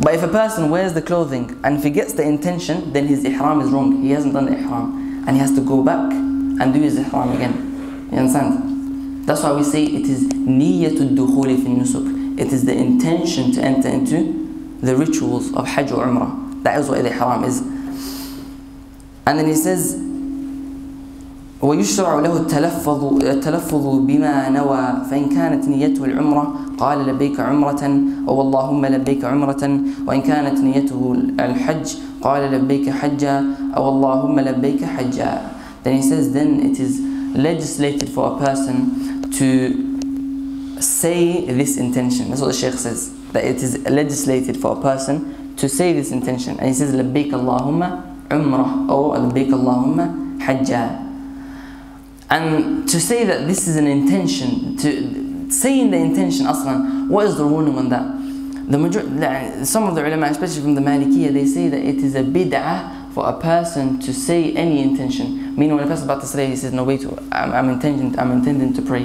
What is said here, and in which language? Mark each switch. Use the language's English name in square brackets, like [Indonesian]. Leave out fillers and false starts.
[English] But if a person wears the clothing and forgets the intention, then his ihram is wrong. He hasn't done the ihram. And he has to go back and do his ihram again. You understand? That's why we say it is [Arabic] niyyatul dukhuli fi nusuk. [English] It is the intention to enter into the rituals of Hajj or Umrah. That is what the ihram is. And then he says, [Arabic] وَيُشْرَعُ لَهُ التَّلَفُّظُ بِمَا نَوَى فَإِنْ كَانَتْ نِيَّتُهُ الْعُمْرَةُ قَالَ لَبَّيْكَ عُمْرَةً أَوَاللَّهُمَّ لَبَّيْكَ عُمْرَةً وَإِنْ كَانَتْ نِيَّتُهُ الْحَجُّ قَالَ لَبَّيْكَ حَجًّا أَوَاللَّهُمَّ لَبَّيْكَ حَجًّا. [English] Then he says, then it is legislated for a person to say this intention. That's what the Shaykh says, that it is legislated for a person to say this intention. And he says, [Arabic] لَبَّيْكَ اللَّهُمَّ عُمْرَةً أَوْ لَبَّيْكَ اللَّهُمَّ حَجًّا. [English] And to say that this is an intention, to saying the intention aslan, what is the ruling on that? Some of the ulama, especially from the Malikiyyah, they say that it is a bid'ah for a person to say any intention. Meaning when a person is about to say, he says, no, wait, I'm intending to pray.